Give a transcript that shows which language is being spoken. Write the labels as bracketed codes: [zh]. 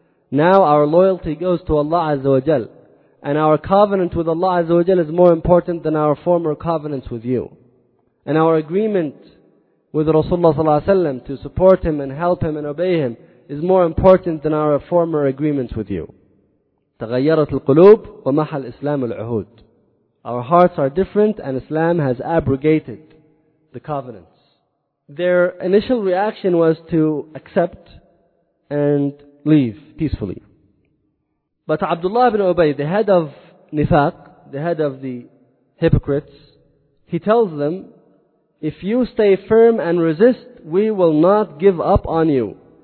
[en] Now our loyalty goes to Allah Azza wa Jal. And our covenant with Allah Azza wa Jal is more important than our former covenants with you. And our agreement with Rasulullah sallallahu alaihi wasallam to support him and help him and obey him is more important than our former agreements with you. [ar] تغيرت القلوب ومحى الإسلام العهود. [en] Our hearts are different and Islam has abrogated the covenants. Their initial reaction was to accept and leave peacefully. But Abdullah ibn Ubay, the head of Nifaq, the head of the hypocrites, he tells them, if you stay firm and resist, we will not give up on you.